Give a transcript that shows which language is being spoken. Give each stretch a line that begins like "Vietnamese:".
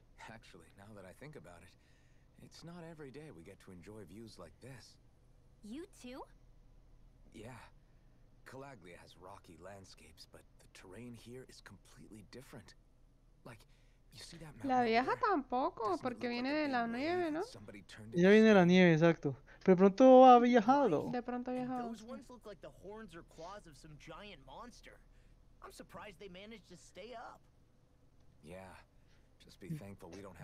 English: Actually, now that I think about it, it's not every day we get to enjoy views like this. You too? Yeah. Calaglia has rocky landscapes, but the terrain here is completely different. Like, you see that mountain?
Spanish: La vieja tampoco, porque viene de la nieve, ¿no? Ella viene de la nieve, exacto. Pero pronto ha viajado. De pronto ha viajado.
English: Those ones look like the horns or claws of some giant monster. I'm surprised they managed to stay up. Yeah. Just be thankful we don't have